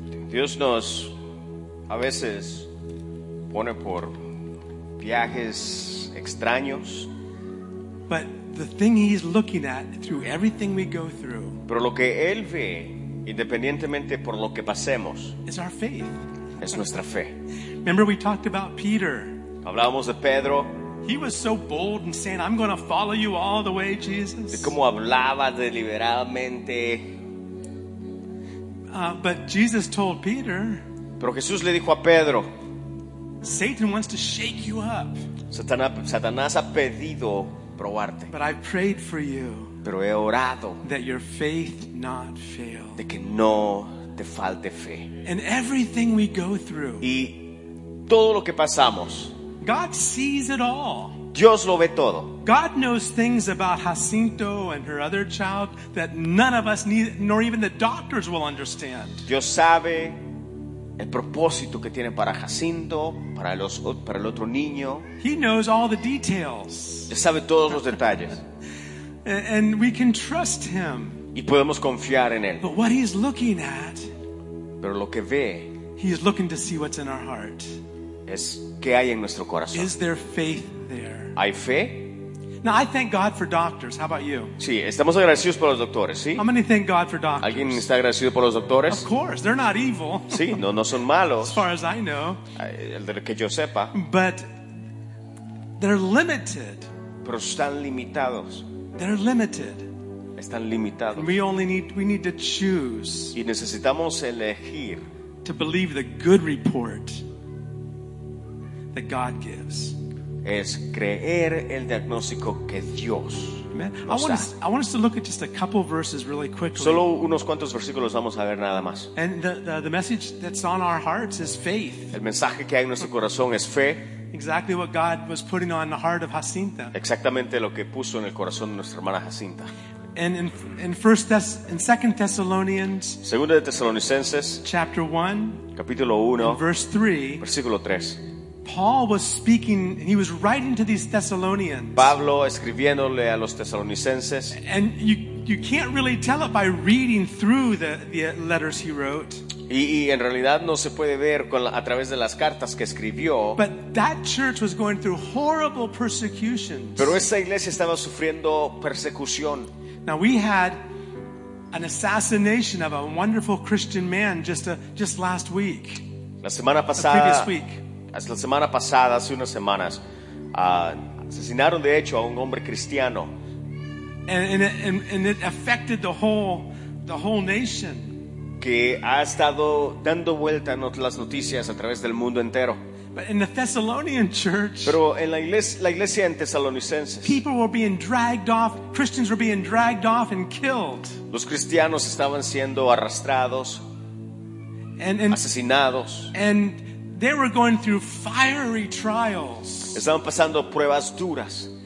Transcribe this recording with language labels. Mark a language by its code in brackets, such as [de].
[es] Dios nos a veces pone por viajes extraños. [en] But the thing he's looking at through everything we go through. [es] Pero lo que él ve, independientemente por lo que pasemos, [en] is our faith. [es] Es nuestra fe. [en] Remember we talked about Peter. [es] Hablábamos de Pedro. [en] He was so bold and saying, "I'm going to follow you all the way, Jesus." [es] De cómo hablaba deliberadamente. [en] But Jesus told Peter. [es] Pero Jesús le dijo a Pedro. [en] Satan wants to shake you up. [es] Satanás ha pedido probarte. [en] But I prayed for you. [es] Pero he orado. [en] That your faith not fail. [es] De que no te falte fe. [en] And everything we go through. [es] Y todo lo que pasamos. [en] God sees it all. [es] Dios lo ve todo. [en] God knows things about Jacinto and her other child that none of us need, nor even the doctors will understand. [es] Dios sabe el propósito que tiene para Jacinto, para el otro niño. [en] He knows all the details. [es] Él sabe todos los detalles. [en] And we can trust him. [es] Y podemos confiar en él. [en] But what he's looking at, [es] pero lo que ve, [en] he is looking to see what's in our heart. [es] Es qué hay en nuestro corazón. [en] Is there faith there? [es] ¿Hay fe? [en] Now I thank God for doctors. How about you? [es] Sí, estamos agradecidos por los doctores, ¿sí? [en] How many thank God for doctors? [es] ¿Alguien está agradecido por los doctores? [en] Of course, they're not evil. [es] Sí, no son malos. [en] As far as I know. [es] El de que yo sepa. [en] But they're limited. [es] Pero están limitados. [en] They're limited. [es] Están limitados. [en] And we need to choose. [es] Y necesitamos elegir. [en] To believe the good report that God gives. [es] Es creer el diagnóstico que Dios nos da. [en] I want us to look at just a couple of verses really quickly. [es] Solo unos cuantos versículos vamos a ver nada más. [en] And the message that's on our hearts is faith. [es] El mensaje que hay en nuestro corazón es fe. [en] Exactly what God was putting on the heart of Jacinta. [es] Exactamente lo que puso en el corazón de nuestra hermana Jacinta. [en] And in 2 Thessalonians, [es] Segunda de Tesalonicenses, [en] chapter 1, [es] capítulo 1, [en] verse 3, [es] versículo 3. [en] Paul was speaking, he was writing to these Thessalonians. [es] Pablo escribiéndole a los Tesalonicenses. [en] And you can't really tell it by reading through the letters he wrote. [es] Y en realidad no se puede ver a través de las cartas que escribió. [en] But that church was going through horrible persecutions. [es] Pero esa iglesia estaba sufriendo persecución. [en] Now we had an assassination of a wonderful Christian man just last week. [es] La semana pasada. [en] The previous week. [es] La semana pasada, hace unas semanas, asesinaron de hecho a un hombre cristiano. [en] And it affected the whole nation. [es] Que ha estado dando vuelta en las noticias a través del mundo entero. [en] But in the Thessalonian church, [es] pero en la iglesia en Tesalonicenses, [en] people were being dragged off, Christians were being dragged off and killed. [es] Los cristianos estaban siendo arrastrados, asesinados. [en] And they were going through fiery trials. [es] Estaban pasando pruebas duras.